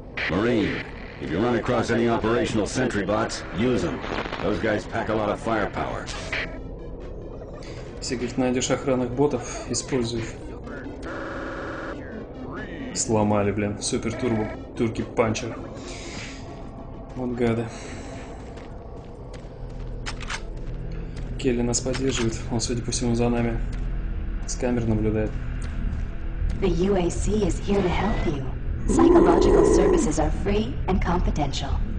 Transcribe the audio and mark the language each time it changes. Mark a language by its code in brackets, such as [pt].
[en] Marine, if you run across any operational sentry bots, use them. Those guys pack a lot of firepower. [ru] Если их найдешь охранных ботов, используй их. Сломали, блин. Супер турбо. Турки панчер. Вот гады. Келли нас поддерживает. Он, судя по всему, за нами. С камер наблюдает. [en] The UAC is here to help you. Psychological services are free and confidential.